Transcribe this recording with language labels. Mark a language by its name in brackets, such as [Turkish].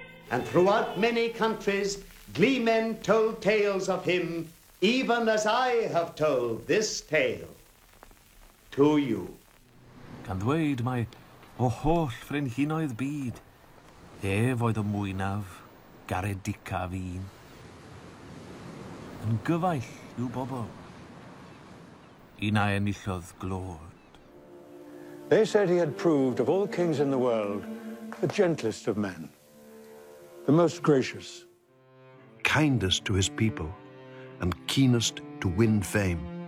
[English] And throughout many countries, gleemen told tales of him, even as I have told this tale to you. [Welsh] Can dweud mai o holl frenhinoedd byd, ef oedd y mwynaf garedicaf un, yn gyfaill i'w bobl, un a enillodd glod. [English] They said he had proved, of all kings in the world, the gentlest of men. The most gracious. Kindest to his people and keenest to win fame.